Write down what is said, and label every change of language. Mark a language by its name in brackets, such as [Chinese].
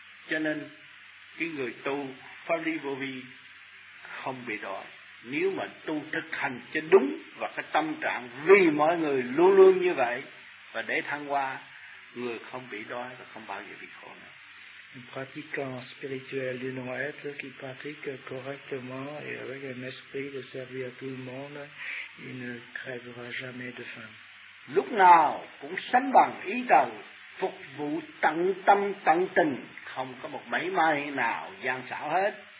[Vietnamese] Cho nên, cái người tu Pháp Lý Vô Vi không bị đói. Nếu mà tu thực hành cho đúng và cái tâm trạng vì mọi người luôn luôn như vậy và để thăng hoa, người không bị đói và không bao giờ bị khổ nữa. [French] Un pratiquant spirituel du non-être qui pratique correctement et avec un esprit de servir à tout le monde, il ne crèvera jamais de faim. [Vietnamese] Lúc nào cũng sánh bằng ý đầu, phục vụ tận tâm tận tình, không có một mảy may nào gian xảo hết.